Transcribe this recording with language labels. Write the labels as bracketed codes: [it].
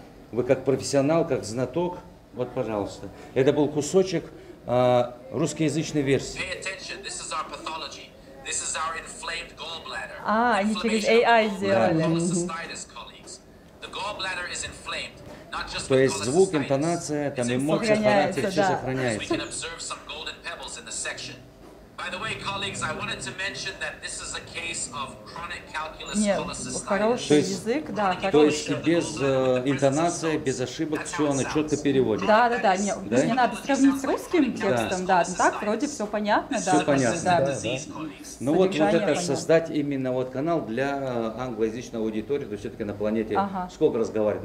[ru] Вы как профессионал, как знаток, вот, пожалуйста. Это был кусочек русскоязычной версии. [en] Pay attention, this is our pathology. This is our inflamed gallbladder. [ru] А, они через AI сделали. [en] The gallbladder is inflamed. [ru] То есть звук, интонация, там эмоции, характер все сохраняется. [en] We can observe some golden pebbles in the section. By the way, colleagues, I wanted to mention that this is a case of chronic calculus cholecystitis. [ru] Хороший язык, да. То есть без интонации, без ошибок, все она четко переводит. Да, да, да. Не надо сравнить с русским текстом, да. Так вроде все понятно, да. Все понятно, да. Ну вот это создать именно вот канал для англоязычной аудитории, то есть все-таки на планете сколько разговаривать?